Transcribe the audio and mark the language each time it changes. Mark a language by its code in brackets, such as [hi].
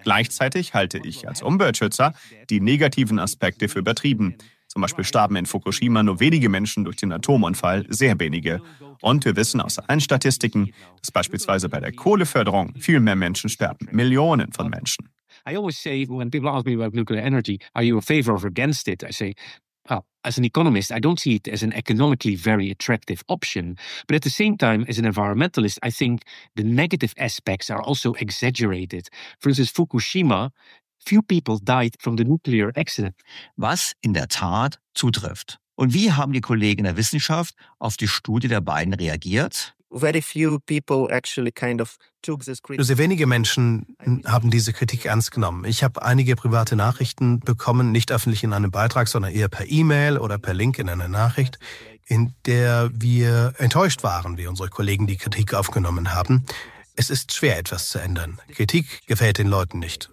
[de] Gleichzeitig halte ich als Umweltschützer die negativen Aspekte für übertrieben. Zum Beispiel starben in Fukushima nur wenige Menschen durch den Atomunfall, sehr wenige. Und wir wissen aus allen Statistiken, dass beispielsweise bei der Kohleförderung viel mehr Menschen sterben, Millionen von Menschen. [en] I always say, when people ask me about nuclear energy, are you a favor or against it? I say, well, as an economist, I don't see it as an economically very attractive option. But at the same time, as an environmentalist, I think the negative aspects are also exaggerated. For instance, Fukushima, few people died from the nuclear accident. [de] Was in der Tat zutrifft. Und wie haben die Kollegen in der Wissenschaft auf die Studie der beiden reagiert? [en] Very few people actually kind of took this criticism. [de] Nur sehr wenige Menschen haben diese Kritik ernst genommen. Ich habe einige private Nachrichten bekommen, nicht öffentlich in einem Beitrag, sondern eher per E-Mail oder per Link in einer Nachricht, in der wir enttäuscht waren, wie unsere Kollegen die Kritik aufgenommen haben. Es ist schwer, etwas zu ändern. Kritik gefällt den Leuten nicht.